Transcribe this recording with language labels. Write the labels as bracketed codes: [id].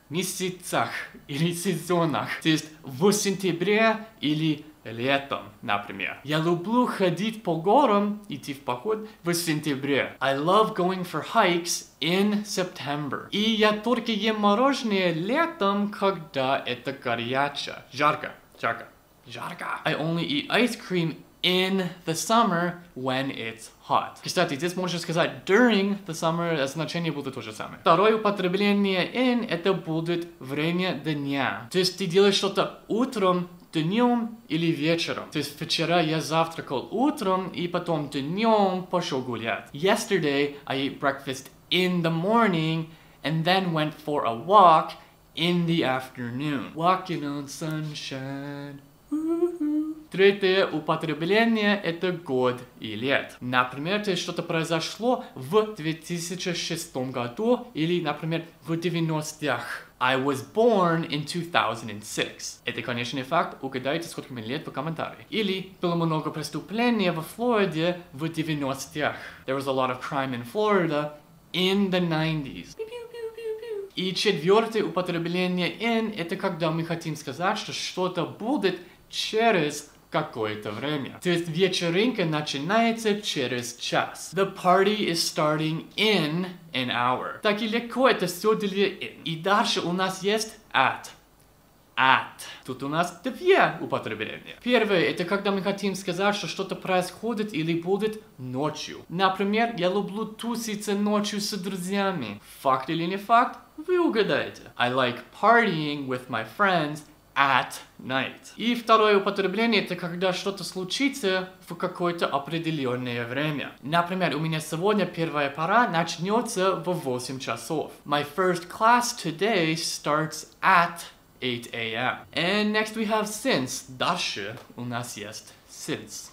[ru] Месяцах или сезонах, то есть в сентябре или летом, например. Я люблю ходить по горам, идти в поход в сентябре. [en] I love going for hikes in September. [ru] И я только ем мороженое летом, когда это горячо. Жарко, жарко, жарко. [en] I only eat ice cream in the summer when it's hot. [ru] Кстати, здесь можно сказать [en] during the summer, [ru] значение будет то же самое. Второе употребление in, это будет время дня. То есть ты делаешь что-то утром, днем или вечером. То есть вчера я завтракал утром и потом днем пошел гулять. [en] Yesterday I ate breakfast in the morning and then went for a walk in the afternoon. Walking on sunshine. [ru] Третье употребление – это год и лет. Например, то есть что-то произошло в 2006 году или, например, в 90-х. [en] I was born in 2006. [ru] Это конечный факт, угадайте, сколько мне лет в комментарии. Или было много преступлений во Флориде в 90-х. [en] There was a lot of crime in Florida in the 90s. [ru] И четвертое употребление in – это когда мы хотим сказать, что что-то будет через какое-то время. То есть вечеринка начинается через час. [en] The party is starting in an hour. [ru] Так и легко это все делить in. И дальше у нас есть at. At. Тут у нас две употребления. Первое, это когда мы хотим сказать, что что-то происходит или будет ночью. Например, я люблю туситься ночью с друзьями. Факт или не факт, вы угадаете. [en] I like partying with my friends at night. [ru] И второе употребление, это когда что-то случится в какое-то определенное время. Например, у меня сегодня первая пара начнется в 8 часов. [en] My first class today starts at 8 a.m. And next we have since. [ru] Дальше у нас есть since.